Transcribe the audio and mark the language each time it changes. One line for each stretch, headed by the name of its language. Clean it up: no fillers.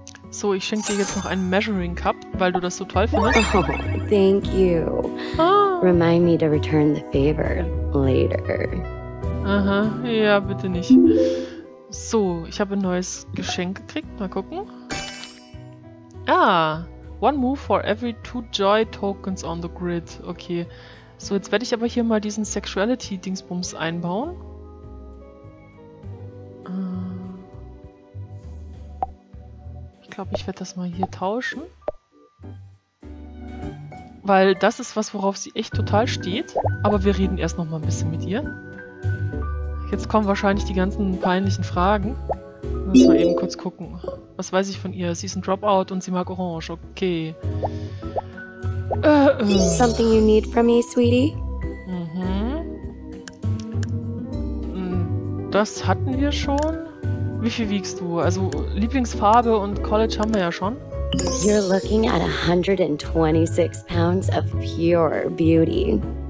German: So, ich schenke dir jetzt noch einen Measuring Cup, weil du das so toll findest.
English: Oh, thank you. Remind me to return the favor later.
German: Aha, ja, bitte nicht. So, ich habe ein neues Geschenk gekriegt. Mal gucken.
English: Ah, one move for every two joy tokens on the grid. Okay.
German: So, jetzt werde ich aber hier mal diesen Sexuality-Dingsbums einbauen. Ich glaube, ich werde das mal hier tauschen. Weil das ist was, worauf sie echt total steht. Aber wir reden erst noch mal ein bisschen mit ihr. Jetzt kommen wahrscheinlich die ganzen peinlichen Fragen. Müssen wir eben kurz gucken. Was weiß ich von ihr? Sie ist ein Dropout und sie mag Orange. Okay.
English: Something you need from me, sweetie? Mhm.
German: Das hatten wir schon. Wie viel wiegst du? Also Lieblingsfarbe und College haben wir ja schon.
English: You're looking at 126 pounds of pure beauty.